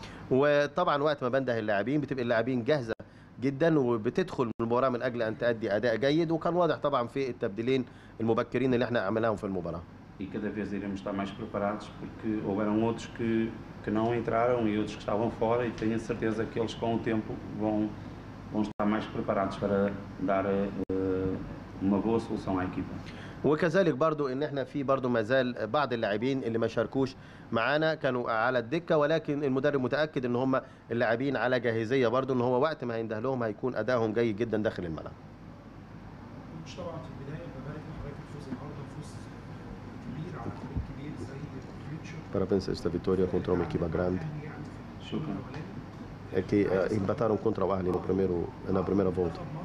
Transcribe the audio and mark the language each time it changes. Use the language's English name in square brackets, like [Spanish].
[Arabic] وطبعا وقت ما بنده اللاعبين بتبقى اللاعبين جاهزه جدا وبتدخل المباراه من اجل ان تؤدي اداء جيد، وكان واضح طبعا في التبديلين المبكرين اللي احنا عملناهم في المباراه. [Portuguese] E cada vez iremos estar mais preparados porque houveram outros que não entraram e outros que estavam fora, e tenho certeza que eles, com o tempo, vão estar mais preparados para dar uma boa solução à equipa. [Arabic] وكذلك برضو ان احنا في برضو ما زال بعض اللاعبين اللي ما شاركوش معانا كانوا على الدكه، ولكن المدرب متاكد ان هم اللاعبين على جاهزيه برضو، ان هو وقت ما هينده لهم هيكون ادائهم جيد جدا داخل الملعب. مش طبعا في البدايه ببارك لحضرتك الفوز النهارده، فوز كبير على فريق كبير زي الكريتشو. [Portuguese] Parabéns esta vitória contra uma equipa grande. [Arabic] شكرا. [Portuguese] É que empataram contra o Ahly no primeiro na primeira volta.